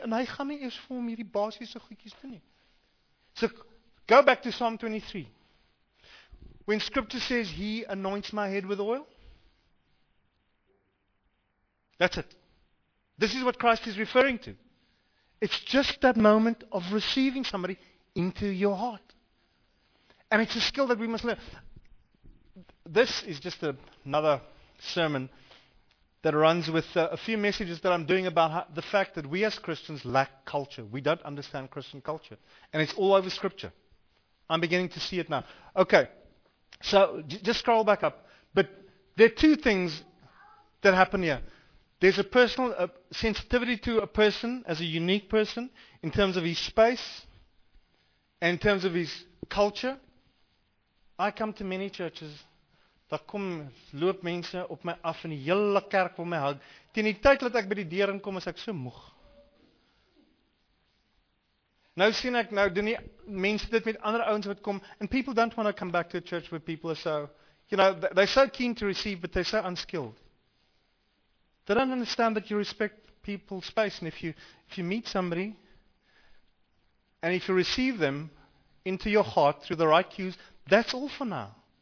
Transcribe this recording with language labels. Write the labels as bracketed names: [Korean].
[Afrikaans] En hy gaan nie eers vir hom hierdie basiese goedjies doen nie. [English] So, go back to Psalm 23. When Scripture says, he anoints my head with oil. That's it. This is what Christ is referring to. It's just that moment of receiving somebody into your heart. And it's a skill that we must learn. This is just another sermon that runs with a few messages that I'm doing about the fact that we as Christians lack culture. We don't understand Christian culture. And it's all over Scripture. I'm beginning to see it now. Okay, so just scroll back up. But there are two things that happen here. There's a personal sensitivity to a person as a unique person in terms of his space and in terms of his culture. I come to many churches. [Afrikaans] Daar kom loop mense op my af en die hele kerk wil my hug. Teen die tyd dat ek by die deur inkom, is ek so moeg. Nou sien ek, nou doen die mense dit met ander ouens wat kom, [English] and people don't want to come back to a church where people are so, you know, they're so keen to receive, but they're so unskilled. They don't understand that you respect people's space, and if you meet somebody, and if you receive them into your heart through the right cues, that's all for now.